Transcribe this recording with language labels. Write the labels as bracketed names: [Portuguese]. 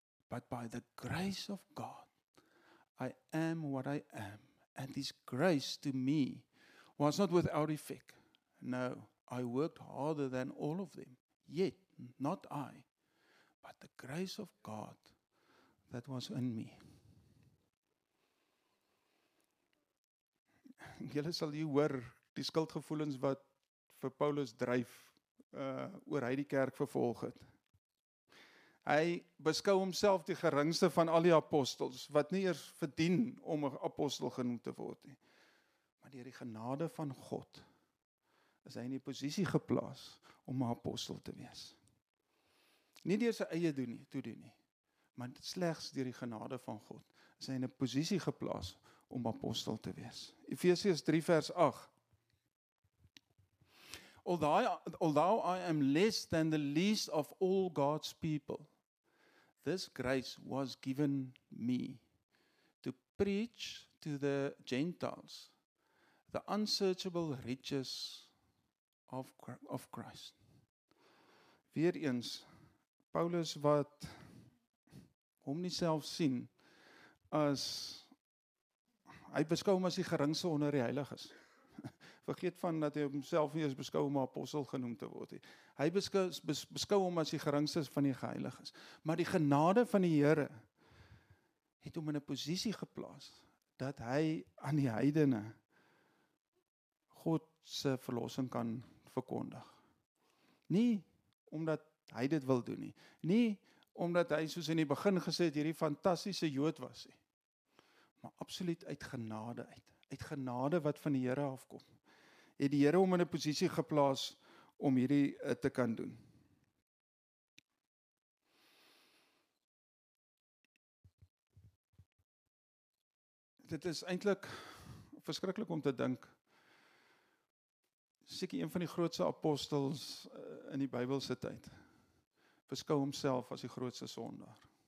[English] But by the grace of God, I am what I am, and this grace to me was not without effect. No, I worked harder than all of them, yet not I, but the grace of God that was in me. [Afrikaans] Julle sal hier hoor die skuldgevoelens wat vir Paulus dryf oor hy die kerk vervolg het. Hy beskou homself die geringste van al die apostels, wat nie eers verdien om 'n apostel genoem te word nie. Maar deur die genade van God is hy in die posisie geplaas om 'n apostel te wees. Nie deur sy eie toedoen nie, maar slegs deur die genade van God is hy in 'n posisie geplaas om apostel te wees. Efesiërs 3 vers 8. [English] Although I am less than the least of all God's people, this grace was given me to preach to the Gentiles the unsearchable riches of Christ. [Afrikaans] Weereens, Paulus wat hom nie self sien as hy beskou hom as die geringste onder die heiliges. Vergeet van dat hy homself nie eens beskou om 'n apostel genoem te word. Hy beskou hom as die geringste van die heiliges. Maar die genade van die Here het hom in 'n posisie geplaas dat hy aan die heidene God se verlossing kan verkondig. Nie omdat hy dit wil doen nie. Nie omdat hy soos in die begin gesê het hierdie fantastiese Jood was nie. Maar absoluut uit genade uit. Uit genade wat van die Here afkom. Het die Here hom in 'n posisie geplaas om hierdie te kan doen. Dit is eintlik verskriklik om te dink. Seker een van die grootste apostels in die Bybelse tyd beskou homself as die grootste sondaar.